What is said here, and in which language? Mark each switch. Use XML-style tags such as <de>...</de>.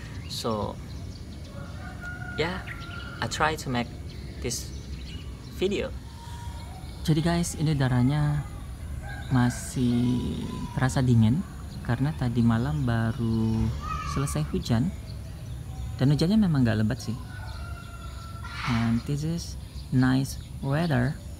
<en>So yeah, I try to make this video.</en> <id>Jadi guys, ini udaranya masih terasa dingin karena tadi malam baru selesai hujan dan hujannya memang gak lebat sih.</id> <en>And this is nice weather.</en>